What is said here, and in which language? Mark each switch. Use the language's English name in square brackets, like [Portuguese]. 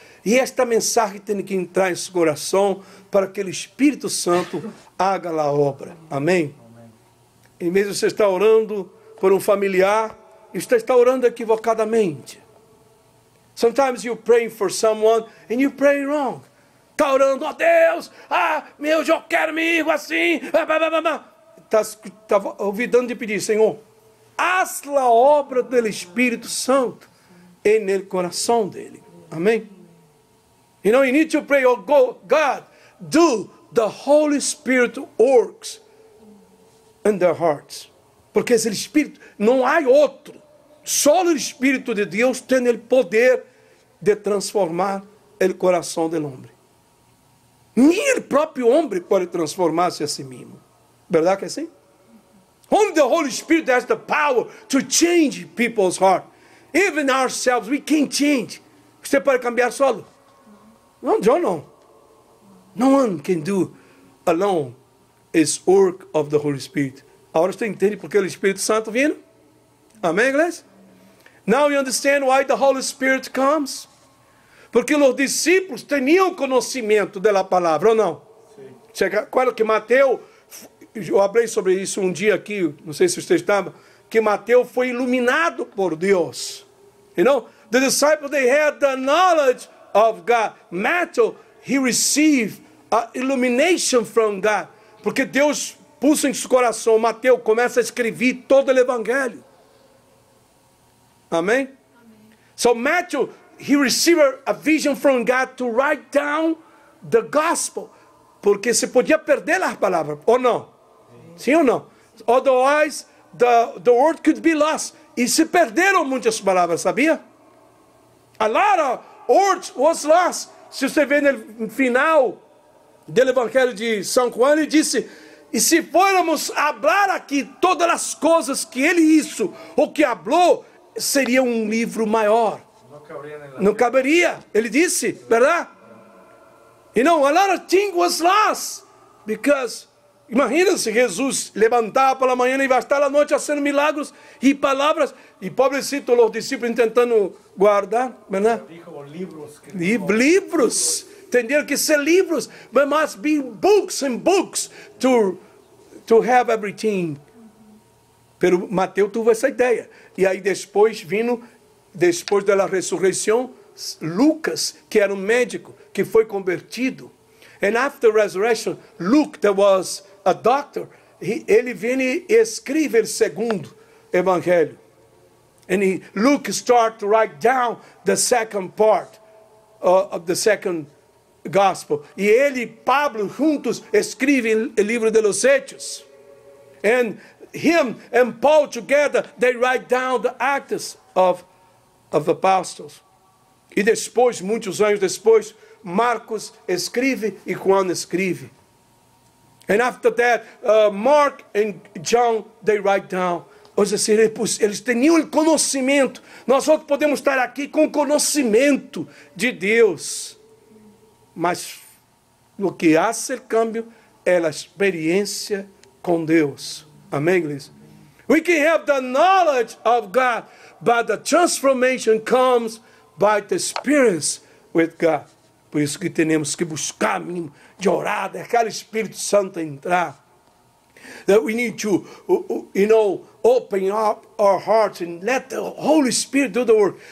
[Portuguese] E esta mensagem tem que entrar em seu coração para que o Espírito Santo haga a obra. Amém? Amém? E mesmo você está orando por um familiar, você está orando equivocadamente. [English] Sometimes you pray for someone and you pray wrong. [Portuguese] Está orando, ó Deus, ah, meu, eu quero meu filho assim. Está ouvidando de pedir, Senhor, haz a obra do Espírito Santo no coração dele. Amém? [English] You know, you need to pray, oh God, do the Holy Spirit works in their hearts. [Portuguese] Porque esse Espírito, não há outro. Só o Espírito de Deus tem o poder de transformar o coração do homem. Nem o próprio homem pode transformar-se a si mesmo. Verdade que é assim? [English] Only the Holy Spirit has the power to change people's heart. Even ourselves, we can't change. [Portuguese] Você pode cambiar solo? Não, eu não. [English] No one can do alone his work of the Holy Spirit. [Portuguese] Agora você entende porque o Espírito Santo vem? Amém, igreja? [English] Now you understand why the Holy Spirit comes? [Portuguese] Porque os discípulos tinham conhecimento da palavra, ou não? Sim. Claro que Mateus, eu abri sobre isso um dia aqui, não sei se você estava, que Mateus foi iluminado por Deus. [English] You know? The disciples, they had the knowledge of God. Matthew, he received a illumination from God. [Portuguese] Porque Deus pôs em seu coração, Mateus começa a escrever todo o evangelho. Amém? Amém. [English] So Matthew, he received a vision from God to write down the gospel. [Portuguese] Porque se podia perder as palavras, ou não? Sim ou não? [English] Otherwise, the word could be lost. [Portuguese] E se perderam muitas palavras, sabia? [English] A lot of words was lost. [Portuguese] Se você vê no final do evangelho de São Juan, ele disse, e se formos falar aqui todas as coisas que ele isso, ou que falou, seria um livro maior. Não caberia, ele disse, verdade? [English] You know, a lot of things was lost. [Portuguese] Because, imagina se Jesus levantava pela manhã e vai estar à noite fazendo milagros e palavras, e pobrecito, os discípulos tentando guardar, verdade? Livros. [Spanish] Livros. Tendrían que ser libros. [English] There must be books and books to have everything. [Spanish] Pero Mateo tuvo esa idea. Y ahí después vino, después de la resurrección, Lucas, que era un médico, que fue convertido. [English] And after resurrection, Luke, that was a doctor, [Spanish] ele viene y escribe el segundo evangelio. [English] And Luke starts to write down the second part of the second gospel. [Portuguese] E ele e Pablo juntos escrevem o livro de los Hechos. [English] And him and Paul together, they write down the Acts of the Apostles. [Portuguese] E depois, muitos anos depois, Marcos escreve e Juan escreve. [English] And after that, Mark and John, they write down. [Portuguese] Ou seja, eles tinham o conhecimento. Nós outros podemos estar aqui com conhecimento de Deus. Mas o que faz o cambio é a experiência com Deus. Amém, igreja? [English] We can have the knowledge of God, but the transformation comes by the experience with God. [Portuguese] Por isso que temos que buscar mínimo de orar, deixar o Espírito Santo entrar. [English] That we need to, you know, open up our hearts and let the Holy Spirit do the work.